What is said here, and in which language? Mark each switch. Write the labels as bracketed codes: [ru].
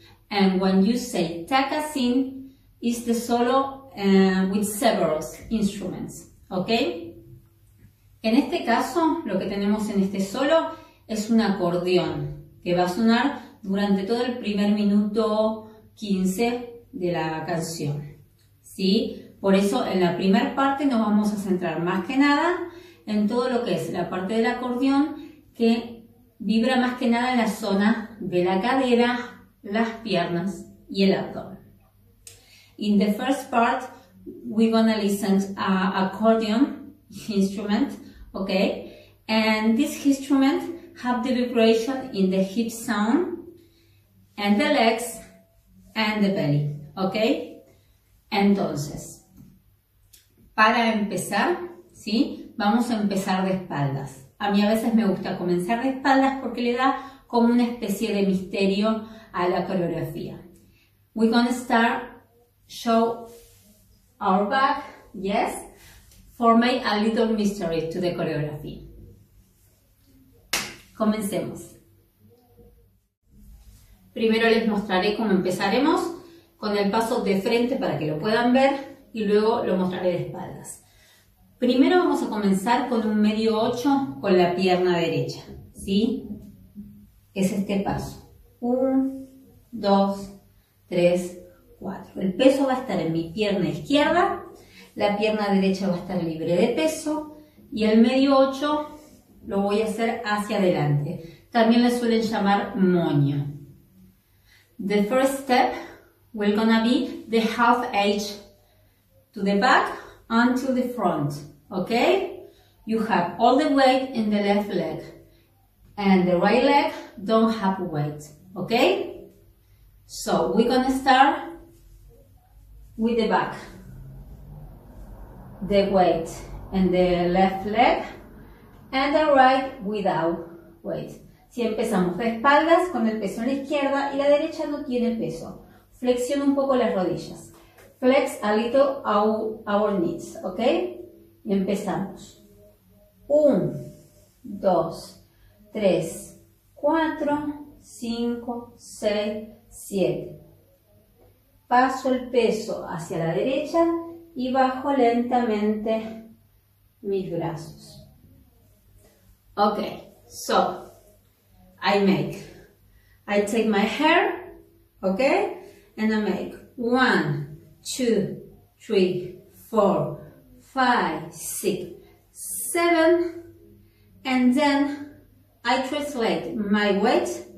[en] And when you say Takasim is the solo with several instruments, okay? [es] En este caso, lo que tenemos en este solo es un acordeón que va a sonar durante todo el primer minuto 15 de la canción, ¿sí? Por eso en la primera parte nos vamos a centrar más que nada en todo lo que es la parte del acordeón que vibra más que nada en la zona de la cadera, las piernas y el abdomen. [en] In the first part, we're gonna listen to an accordion instrument, okay? And this instrument have the vibration in the hip zone and the legs and the belly, okay? [es] Entonces, para empezar, ¿sí? Vamos a empezar de espaldas. A mí a veces me gusta comenzar de espaldas porque le da como una especie de misterio a la coreografía. [en] We're gonna start, show our back, yes, for me a little mystery to the choreography. [es] Comencemos. Primero les mostraré cómo empezaremos con el paso de frente para que lo puedan ver y luego lo mostraré de espaldas. Primero vamos a comenzar con un medio 8 con la pierna derecha, ¿sí? Es este paso. 1, 2, 3, 4. El peso va a estar en mi pierna izquierda, la pierna derecha va a estar libre de peso y el medio 8 lo voy a hacer hacia adelante. También le suelen llamar moño. [en] The first step will gonna be the half edge to the back until the front. Okay? You have all the weight in the left leg and the right leg don't have weight. Okay? So we're gonna start with the back. The weight in the left leg and the right without weight. [es] Si empezamos de espaldas con el peso en la izquierda y la derecha no tiene peso. Flexiona un poco las rodillas. [en] Flex a little our knees, [es] ¿ok? Y empezamos. 1, 2, 3, 4, 5, 6, 7. Paso el peso hacia la derecha y bajo lentamente mis brazos. [en] Ok, so I take my hair, okay, and I make 1, 2, 3, 4, 5, 6, 7, and then I translate my weight,